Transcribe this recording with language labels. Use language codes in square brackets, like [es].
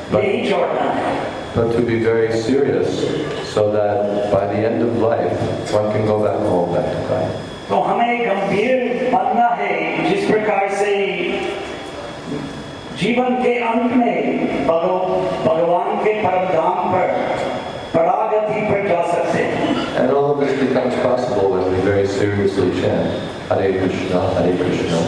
[en] but to be very serious, so that by the end of life, one can go back home, back to God. [hi] तो हमें गंभीर बनना है, जिस प्रकार से जीवन के अंत में भगवान के परम धाम पर परागति पर जा सकते हैं. [en] And all of this becomes possible when we very seriously chant Hare Krishna, Hare Krishna,